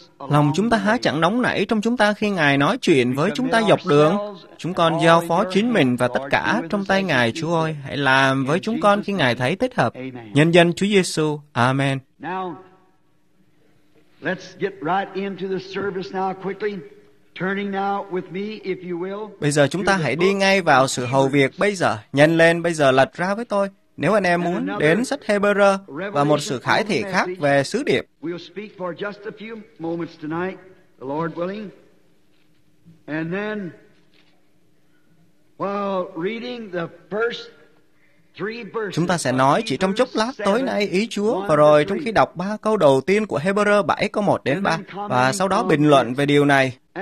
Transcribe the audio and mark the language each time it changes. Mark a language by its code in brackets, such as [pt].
[vi] Lòng chúng ta há chẳng nóng nảy trong chúng ta khi Ngài nói chuyện với chúng ta dọc đường. Chúng con giao phó chính mình và tất cả trong tay Ngài, Chúa ơi, hãy làm với chúng con khi Ngài thấy thích hợp. Nhân danh Chúa Giêsu, Amen. [en] Let's get right into the service now quickly. Turning now with me, if you will. [vi] Bây giờ chúng ta hãy đi ngay vào sự hầu việc bây giờ. Nhanh lên bây giờ lật ra với tôi. Nếu anh em muốn đến sách Hebrew và một sự khải thị khác về sứ điệp. [en] We'll speak for just a few moments tonight, the Lord willing. And then, while reading the first. [vi] Chúng ta sẽ nói chỉ trong chốc lát tối nay ý Chúa, và rồi trong khi đọc ba câu đầu tiên của Hebrew 7 câu 1 đến 3, và sau đó bình luận về điều này.